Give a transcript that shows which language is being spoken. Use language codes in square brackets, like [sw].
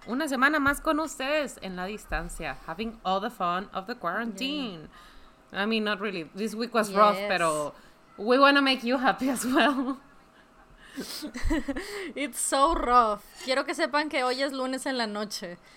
[es] Una semana más con ustedes en la distancia. [en] Having all the fun of the quarantine. Yeah. I mean, not really. This week was rough, pero we want to make you happy as well. It's so rough. [es] Quiero que sepan que hoy es lunes en la noche.